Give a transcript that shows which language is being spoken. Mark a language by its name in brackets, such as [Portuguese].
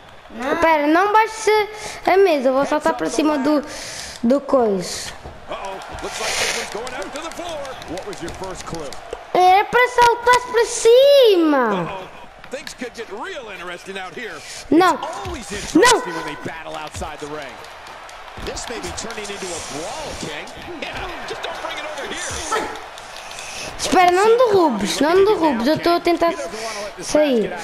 [Portuguese] Espera, não baixe a mesa. Vou saltar para cima do coiso. [English] Looks like this one's going out to the floor. What was your first clue? [Portuguese] Era pra saltar pra cima. [English] Things could get real interesting out here. No. Always interesting when they battle outside the ring. This may be turning into a brawl, King. Yeah, just don't bring it over here. [Portuguese] Espera, não derrubes, não derrubes, eu estou a tentar sair.